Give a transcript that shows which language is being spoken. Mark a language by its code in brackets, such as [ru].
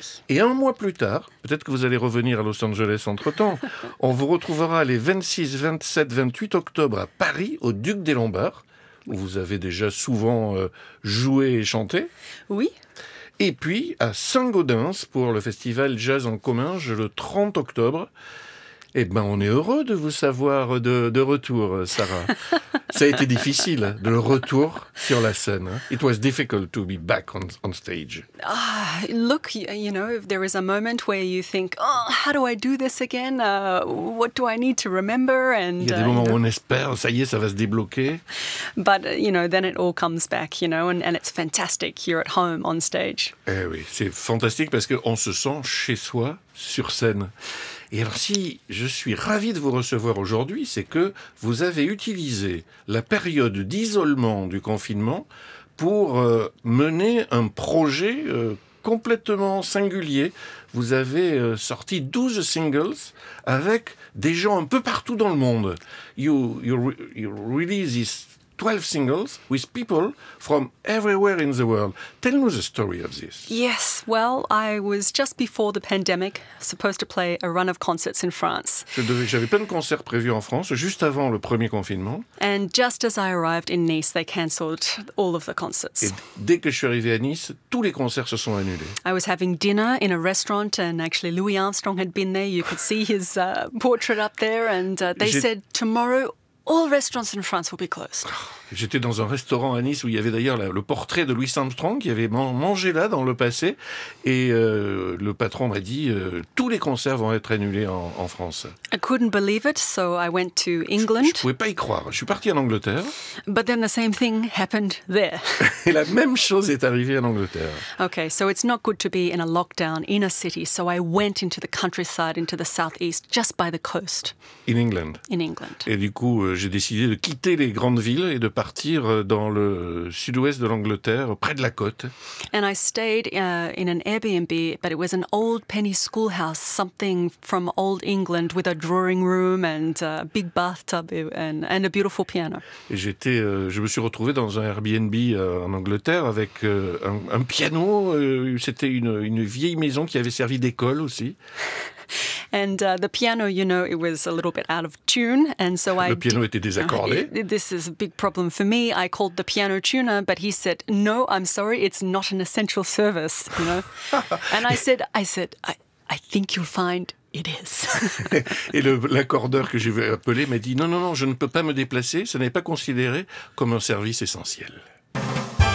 [fr] Et un mois plus tard, peut-être que vous allez revenir à Los Angeles entre-temps, on vous retrouvera les 26, 27, 28 octobre à Paris, au Duc des Lombards, où vous avez déjà souvent joué et chanté. Oui. Et puis à Saint-Gaudens pour le festival Jazz en commun, le 30 octobre. Eh bien, on est heureux de vous savoir de retour, Sarah. Ça a été difficile, le retour sur la scène. [en] It was difficult to be back on stage. Ah, look, you know, if there is a moment where you think, oh, how do I do this again? What do I need to remember? [fr] And, il y a des moments où on espère, ça y est, ça va se débloquer. [en] But, you know, then it all comes back, you know, and it's fantastic. You're at home on stage. [fr] Eh oui, c'est fantastique parce qu'on se sent chez soi, sur scène. Et alors si je suis ravi de vous recevoir aujourd'hui, c'est que vous avez utilisé la période d'isolement du confinement pour mener un projet complètement singulier. Vous avez sorti 12 singles avec des gens un peu partout dans le monde. [en] You release these 12 singles with people from everywhere in the world. Tell us the story of this. Yes, well, I was just before the pandemic supposed to play a run of concerts in France. [fr] J'avais plein de concerts prévus en France juste avant le premier confinement. [en] And just as I arrived in Nice, they cancelled all of the concerts. [fr] Et dès que je suis arrivé à Nice, tous les concerts se sont annulés. [en] I was having dinner in a restaurant and actually Louis Armstrong had been there. You could see his portrait up there and they said tomorrow all restaurants in France will be closed. [fr] J'étais dans un restaurant à Nice où il y avait d'ailleurs le portrait de Louis Armstrong qui avait mangé là dans le passé. Et le patron m'a dit tous les concerts vont être annulés en France. [en] I couldn't believe it, so I went to England. [fr] Je ne pouvais pas y croire. Je suis parti en Angleterre. [en] But then the same thing happened there. [fr] Et la même chose est arrivée en Angleterre. [en] Okay, so it's not good to be in a lockdown in a city. So I went into the countryside, into the southeast, just by the coast. In England. In England. [fr] Et du coup, j'ai décidé de quitter les grandes villes et de partir dans le sud-ouest de l'Angleterre, près de la côte. [en] And I stayed in an Airbnb, but it was an old penny schoolhouse, something from old England, with a drawing room and a big bathtub and a beautiful piano. [fr] Et je me suis retrouvé dans un Airbnb en Angleterre avec un piano. C'était une vieille maison qui avait servi d'école aussi. [en] And the piano, you know, it was a little bit out of tune, and so [fr] le piano était désaccordé. [en] This is a big problem for me. I called the piano tuner, but he said, "No, I'm sorry, it's not an essential service." You know, and I said, "I think you'll find it is." [fr] Et l'accordeur que j'ai appelé m'a dit, "Non, je ne peux pas me déplacer. Ce n'est pas considéré comme un service essentiel." [en] Thank you.